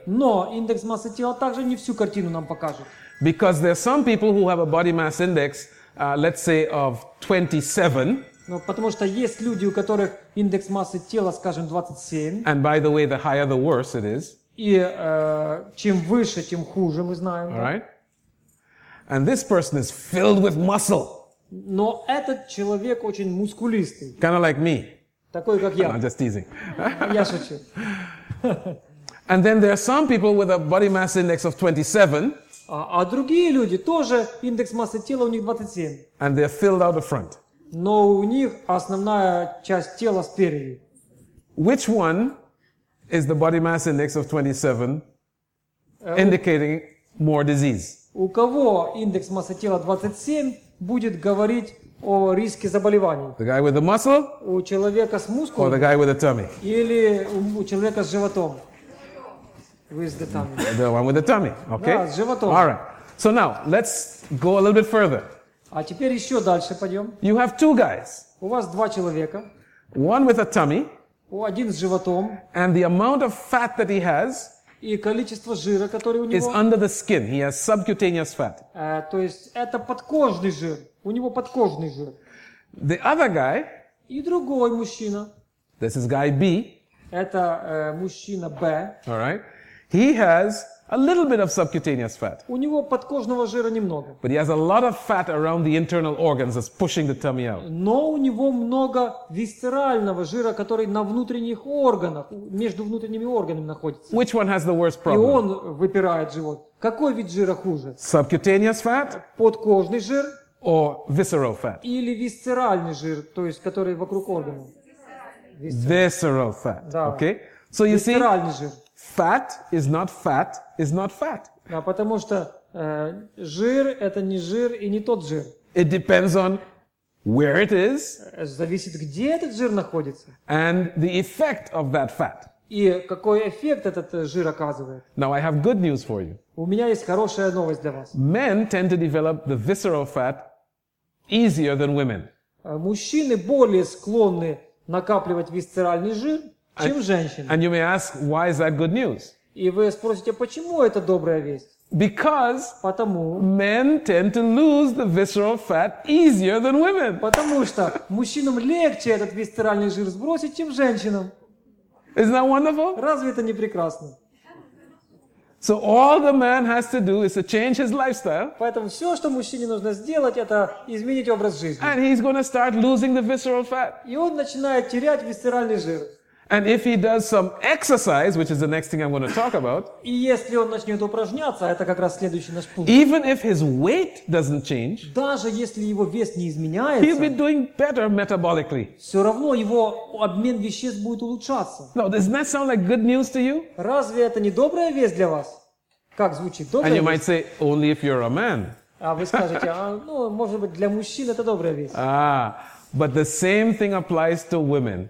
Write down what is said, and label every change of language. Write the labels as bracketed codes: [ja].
[ru] Но индекс массы тела также не всю картину нам покажет. [en] Because there are some people who have a body mass index, let's say, of 27. [ru] Но потому что есть люди, у которых индекс массы тела, скажем, 27. [en] And by the way, the higher the worse it is. [ru] И чем выше, тем хуже, мы знаем. [en] All right. And this person is filled with muscle. [ru] Но этот человек очень мускулистый. [en] Kind of like me. [ru] Такой, как я. [en] No, I'm just teasing. [ru] Я шучу. [en] And then there are some people with a body mass index of 27. [ru] А другие люди тоже индекс массы тела у них 27. [en] And they're filled out the front. [ru] Но у них основная часть тела спереди. [en] Which one is the body mass index of 27 indicating more disease? [ru] У кого индекс массы тела 27 будет говорить о риске заболеваний. [en] The guy with the muscle? [ru] У человека с мускулами? [en] Or the guy with the tummy? [ru] Или у человека с животом? [en] With the tummy. The one with the tummy. Okay. [ru] Да, с животом. [en] All right. So now, let's go a little bit further. [ru] А теперь еще дальше пойдем. [en] You have two guys. [ru] У вас два человека. [en] One with a tummy. [ru] Один с животом. [en] And the amount of fat that he has. [ru] И количество жира, который у него. [en] Is under the skin. He has subcutaneous fat. [ru] То есть это подкожный жир. У него подкожный жир. [en] The other guy. [ru] И другой мужчина. [en] This is guy B. [ru] Это мужчина Б. [en] All right. He has a little bit of subcutaneous fat. [ru] У него подкожного жира немного. [en] But he has a lot of fat around the internal organs that's pushing the tummy out. [ru] Но у него много висцерального жира, который на внутренних органах, между внутренними органами находится. [en] Which one has the worst problem? [ru] И он выпирает живот. Какой вид жира хуже? [en] Subcutaneous fat? [ru] Подкожный жир? [en] Or visceral fat? [ru] Или висцеральный жир, то есть который вокруг органов. [en] Visceral fat. [ru] Да. [en] Okay? So you see? [ru] Висцеральный жир. [en] Fat is not fat, is not fat. [ru] Да, потому что жир это не жир и не тот жир. [en] It depends on where it is. [ru] Зависит, где этот жир находится. [en] And the effect of that fat. [ru] И какой эффект этот жир оказывает. [en] Now I have good news for you. [ru] У меня есть хорошая новость для вас. [en] Men tend to develop the visceral fat easier than women. [ru] Мужчины более склонны накапливать висцеральный жир. Чем женщины? [en] And you may ask, why is that good news? [ru] И вы спросите, почему это добрая весть? [en] Because [ru] потому [en] men tend to lose the visceral fat easier than women. [ru] Потому что мужчинам легче этот висцеральный жир сбросить, чем женщинам. [en] Isn't that wonderful? [ru] Разве это не прекрасно? [en] So all the man has to do is to change his lifestyle. [ru] Поэтому все, что мужчине нужно сделать, это изменить образ жизни. [en] And he's going to start losing the visceral fat. [ru] И он начинает терять висцеральный жир. [en] And if he does some exercise, which is the next thing I'm going to talk about, [ru] и если он начнет упражняться, это как раз следующий наш пункт. [en] Even if his weight doesn't change, [ru] даже если его вес не изменяется, [en] he'll be doing better metabolically. [ru] Все равно его обмен веществ будет улучшаться. [en] Now, doesn't that sound like good news to you? [ru] Разве это не добрая весть для вас? Как звучит? Добрая [en] And you might say, only if you're a man. [ru] А вы скажете, ну, может быть, для мужчин это добрая весть. [en] But the same thing applies to women.